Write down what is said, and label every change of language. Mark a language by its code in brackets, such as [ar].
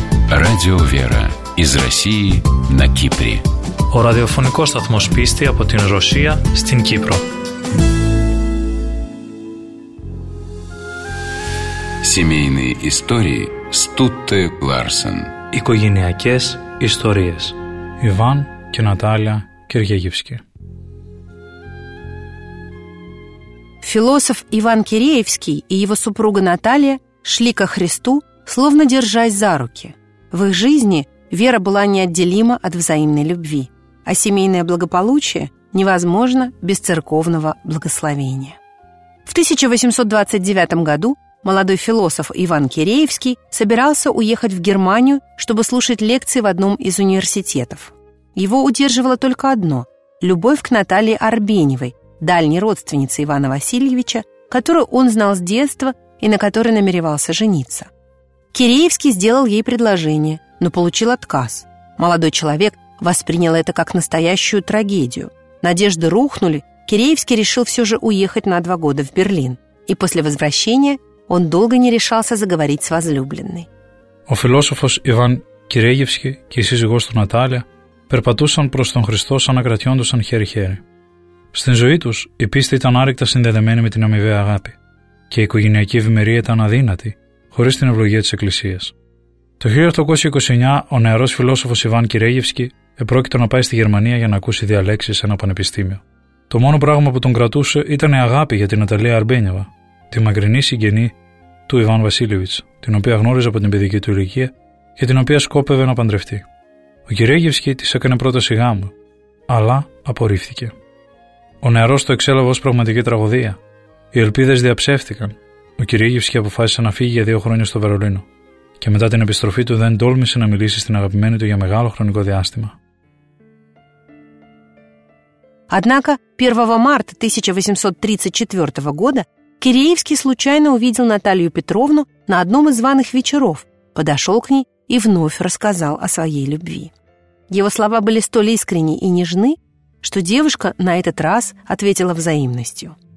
[ru] Радио Вера из России на Кипре. [el] О радиофонико сатмос писти апо тин Росия стин Кипро. [ru] Семейные истории Стутте Ларсен. [el] Οικογενειακές ιστορίες. Иван και Наталья Κυριακεύσκη. [ru] Философ Иван Киреевский и его супруга Наталья шли ко Христу, словно держась за руки. В их жизни вера была неотделима от взаимной любви, а семейное благополучие невозможно без церковного благословения. В 1829 году молодой философ Иван Киреевский собирался уехать в Германию, чтобы слушать лекции в одном из университетов. Его удерживало только одно – любовь к Наталье Арбеневой, дальней родственнице Ивана Васильевича, которую он знал с детства и на которой намеревался жениться. Киреевский сделал ей предложение, но получил отказ. Молодой человек воспринял это как настоящую трагедию. Надежды рухнули, Киреевский решил все же уехать на 2 года в Берлин. И после возвращения он долго не решался заговорить с возлюбленной. [el] О философос Иван Киреевский и сизигос ту Наталья περπατούσαν προς τον Χριστό σαν να κρατιόντουσαν χέρι-χέρι. Στην ζωή τους, η πίστη ήταν άρρηκτα συνδεδεμένη με την αμοιβαία αγάπη και η οικογενειακή ευημερία ήταν αδύνατη, χωρίς την ευλογία της Εκκλησίας. Το 1829, ο νεαρός φιλόσοφος Ιβάν Κυρέγευσκη επρόκειτο να πάει στη Γερμανία για να ακούσει διαλέξεις σε ένα πανεπιστήμιο. Το μόνο πράγμα που τον κρατούσε ήταν η αγάπη για την Ναταλία Αρμπένιεβα, τη μακρινή συγγενή του Ιβάν Βασίλειβιτς, την οποία γνώριζε από την παιδική του ηλικία και την οποία σκόπευε να παντρευτεί. Ο Κυρέγευσκη της έκανε πρόταση γάμου, αλλά απορρίφθηκε. Ο νεαρός το εξέλαβε ως πραγματική τραγωδία. Οι ελπίδες διαψεύτηκαν. Ο Κυρίγευσκι αποφάσισε να φύγει για 2 χρόνια στο Βερολίνο. Και μετά την επιστροφή του δεν τόλμησε να μιλήσει στην αγαπημένη του για μεγάλο χρονικό διάστημα. [ru] Однако 1 марта 1834 года Киреевский случайно увидел Наталью Петровну на одном из званых вечеров, подошел к ней и вновь рассказал о своей любви. Его слова были столь искренни и нежны, что девушка на этот раз ответила взаимностью.